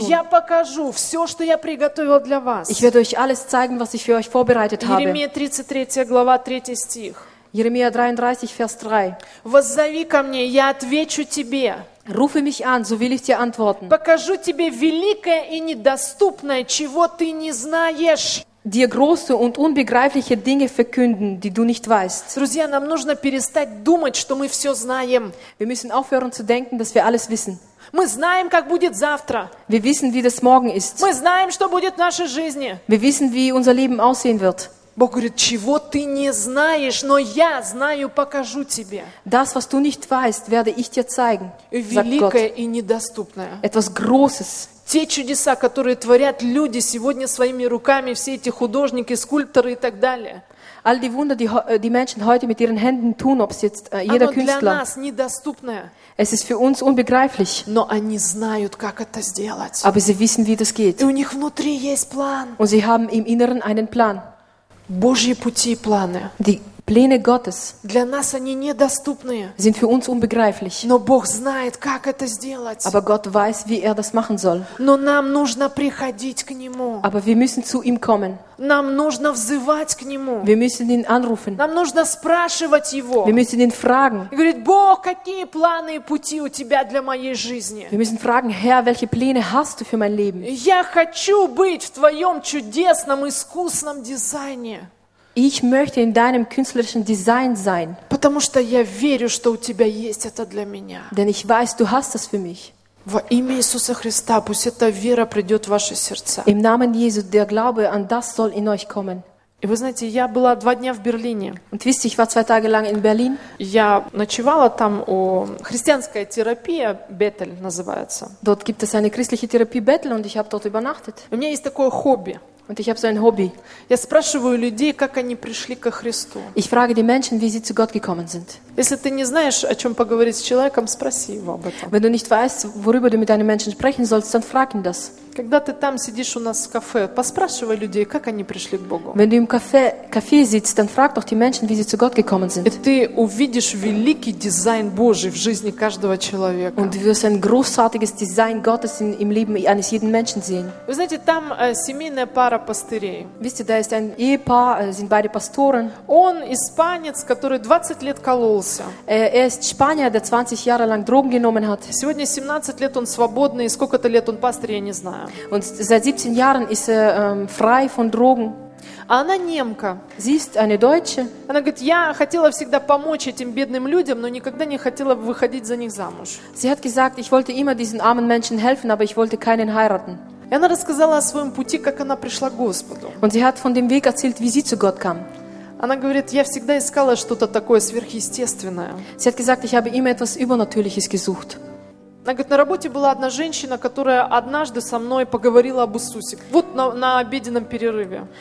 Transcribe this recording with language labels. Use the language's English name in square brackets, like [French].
[Russian] Я покажу все, что я приготовил для вас. [German] Ich werde euch alles zeigen, was ich für euch vorbereitet habe. [Russian] Иеремия 33, глава 3 стих. [German] Иеремия 33, Vers 3. [Russian] «Воззови ко мне, я отвечу тебе». [German] Rufe mich an, so will ich dir antworten. [Russian] Покажу тебе великое и недоступное, чего ты не знаешь. [German] Dir große und unbegreifliche Dinge verkünden, die du nicht weißt. [Russian] Друзья, нам нужно перестать думать, что мы все знаем. [German] Wir müssen aufhören zu denken, dass wir alles wissen. [Russian] Мы знаем, как будет завтра. [German] Wir wissen, wie das morgen ist. [Russian] Мы знаем, что будет в нашей жизни. [German] Wir wissen, wie unser Leben aussehen wird. [Russian] Бог говорит: чего ты не знаешь, но я знаю, покажу тебе. [German] Das, was du nicht weißt, werde ich dir zeigen. [Russian] Великое и недоступное. [German] Etwas Großes. [Russian] Те чудеса, которые творят люди сегодня своими руками, все эти художники, скульпторы и так далее. [German] All die Wunder, die Menschen heute mit ihren Händen tun, ob es jetzt jeder Künstler. [Russian] Оно для нас недоступное. [German] Es ist für uns unbegreiflich. [Russian] Но они знают, как это сделать. [German] Aber sie wissen, wie das geht. [Russian] И у них внутри есть план. [German] Und sie haben im Inneren einen Plan. [Russian] Божьи пути и планы. [German] Die Pläne Gottes. [Russian] Для нас они недоступные. [German] Sind für uns unbegreiflich. [Russian] Но Бог знает, как это сделать. [German] Aber Gott weiß, wie er das machen soll. [Russian] Но нам нужно приходить к Нему. [German] Aber wir müssen zu ihm kommen. [Russian] Нам нужно взывать к Нему. [German] Wir müssen ihn anrufen. [Russian] Нам нужно спрашивать Его. [German] Wir müssen ihn fragen. [Russian] И говорит: Бог, какие планы и пути у Тебя для моей жизни? [German] Wir müssen fragen: Herr, welche Pläne hast du für mein Leben? [Russian] Я хочу быть в Твоем чудесном, искусном дизайне. [German] Ich möchte in deinem künstlerischen Design sein. [Russian] Потому что я верю, что у тебя есть это для меня. [German] Denn ich weiß, du hast das für mich. [Russian] Во имя Иисуса Христа, пусть эта вера придет в ваши сердца. [German] Im Namen Jesu, der Glaube an das soll in euch kommen. [Russian] И вы знаете, я была два дня в Берлине. [German] Und wisst ihr, ich war zwei Tage lang in Berlin. [Russian] Я ночевала там у христианской терапии Bethel называется. [German] Dort gibt es eine christliche Therapie Bethel und ich habe dort übernachtet. [Russian] У меня есть такое хобби. [German] Und ich habe so ein Hobby. [Russian] Я спрашиваю людей, как они пришли ко Христу. [German] Ich frage die Menschen, wie sie zu Gott gekommen sind. [Russian] Если ты не знаешь, о чем поговорить с человеком, спроси его об этом. [German] Wenn du nicht weißt, worüber du mit einem Menschen sprechen sollst, dann frag ihn das. [Russian] Когда ты там сидишь у нас в кафе, поспрашивай людей, как они пришли к Богу. [German] Wenn du im Café sitzt, dann frag doch die Menschen, wie sie zu Gott gekommen sind. [Russian] И ты увидишь великий дизайн Божий в жизни каждого человека. [German] Und du wirst ein großartiges Design Gottes im Leben eines jeden Menschen sehen. [Russian] Вы знаете, там семейная пара пастырей. [German] Wisst ihr, da ist ein Ehepaar, sind beide Pastoren. [Russian] Он испанец, который 20 лет кололся. [German] Er ist Spanier, der 20 Jahre lang Drogen genommen hat. [Russian] Сегодня 17 лет он свободный, и сколько-то лет он пастырь, я не знаю. [German] Und seit 17 Jahren ist er frei von Drogen. [Russian] Она немка. [German] Sie ist eine Deutsche. [Russian] Она говорит: я хотела всегда помочь этим бедным людям, но никогда не хотела выходить за них замуж. [German] Sie hat gesagt: ich wollte immer diesen armen Menschen helfen, aber ich wollte keinen heiraten. [Russian] И она рассказала о своем пути, как она пришла к Господу. [German] Und sie hat von dem Weg erzählt, wie sie zu Gott kam. [Russian] Она говорит: я всегда искала что-то такое сверхъестественное. [German] Sie hat gesagt: ich habe immer etwas Übernatürliches gesucht. [Russian] Она говорит: на работе была одна женщина, которая однажды со мной поговорила об Иисусе. Вот на обеденном перерыве.